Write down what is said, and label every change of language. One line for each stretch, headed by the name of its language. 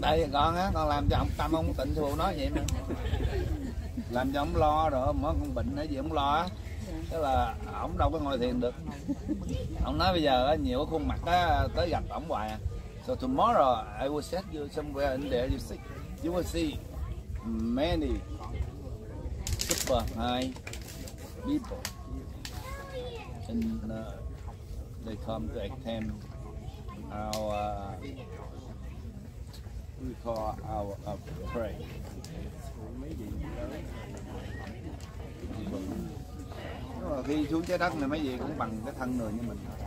Vietnamese: Tại vì con á, con làm cho ông tâm ông tịnh thù nó vậy mà. Làm cho ông lo rồi, mới con bệnh nó gì ông lo á. Tức là ổng đâu có ngồi thiền được. Ông nói bây giờ á, nhiều khuôn mặt á, tới gặp ổng hoài à.
English: So tomorrow I will set you somewhere in there, you see. You will see many super high people. And they come to attend our, we call our prayer.
Vietnamese: Khi xuống trái đất này mấy vị cũng bằng cái thân người như mình.